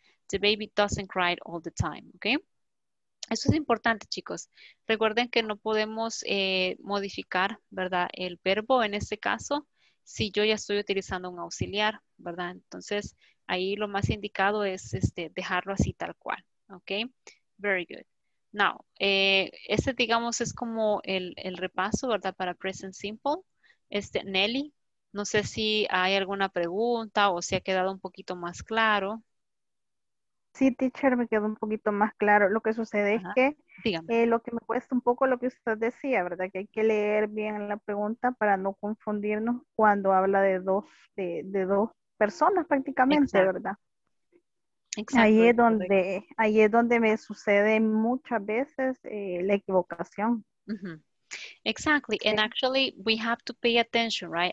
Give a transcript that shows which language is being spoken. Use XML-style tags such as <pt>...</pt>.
<en>The baby doesn't cry all the time, okay?</en> <es>Eso es importante, chicos. Recuerden que no podemos modificar, ¿verdad?, el verbo en este caso si yo ya estoy utilizando un auxiliar, ¿verdad? Entonces, ahí lo más indicado es dejarlo así tal cual, ¿ok?</es> <en>Very good.</en> <es>Now, este, digamos, es como el repaso, ¿verdad?, para Present Simple. Nelly, no sé si hay alguna pregunta o si ha quedado un poquito más claro. Sí, teacher, me quedó un poquito más claro. Lo que sucede es que lo que me cuesta un poco lo que usted decía, ¿verdad? Que hay que leer bien la pregunta para no confundirnos cuando habla de dos personas prácticamente, exacto, ¿verdad? Exacto. Ahí es donde me sucede muchas veces la equivocación.</es> <en>Uh-huh. Exactly, okay. And actually we have to pay attention, right?</en>